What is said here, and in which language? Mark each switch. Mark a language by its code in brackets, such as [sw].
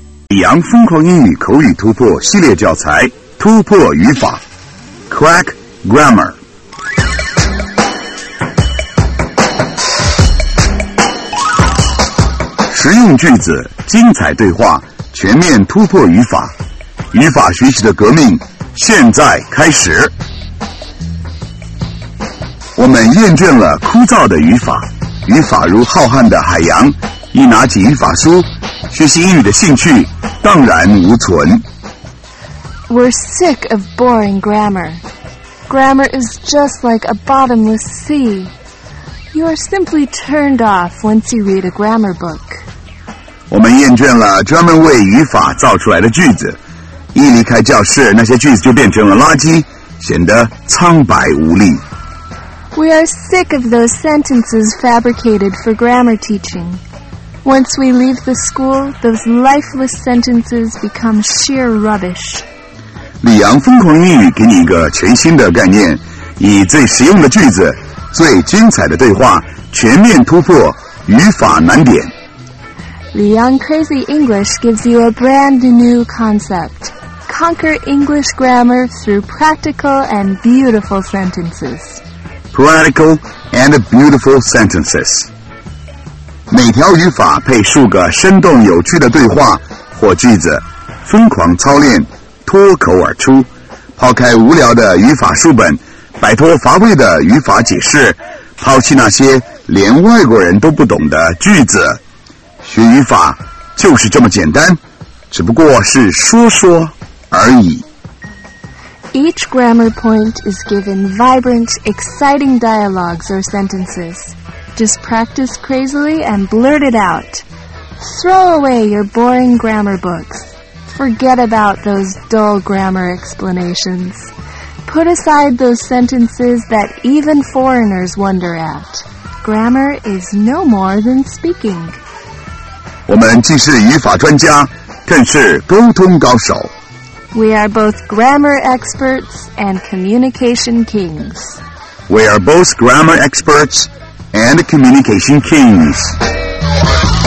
[zh] 李阳疯狂英语口语突破系列教材突破语法 Crack Grammar实用句子，精彩对话，全面突破语法，语法学习的革命现在开始。我们厌倦了枯燥的语法，语法如浩瀚的海洋，一拿起语法书，学习英语的兴趣荡然无存。 [en] We're sick of boring grammar. Grammar is just like a bottomless sea. You are simply turned off once you read a grammar book. [zh] 我们厌倦了专门为语法造出来的句子，一离开教室，那些句子就变成了垃圾，显得苍白无力。 [en] We are sick of those sentences fabricated for grammar teaching. Once we leave the school, those lifeless sentences become sheer rubbish. [zh] 李阳疯狂英语给你一个全新的概念，以最实用的句子，最精彩的对话，全面突破语法难点。 [en] 李阳 Crazy English gives you a brand new concept. Conquer English grammar through practical and beautiful sentences. Practical and beautiful sentences. [zh] 每条语法配数个生动有趣的对话或句子，疯狂操练，脱口而出，抛开无聊的语法书本，摆脱乏味的语法解释，抛弃那些连外国人都不懂的句子。学语法就是这么简单，只不过是说说而已。 [en] Each grammar point is given vibrant, exciting dialogues or sentences. Just practice crazily and blurt it out. Throw away your boring grammar books. Forget about those dull grammar explanations. Put aside those sentences that even foreigners wonder at. Grammar is no more than speaking. [zh] 我们既是语法专家，更是沟通高手。 [en] We are both grammar experts and communication kings. We are both grammar experts and communication kings.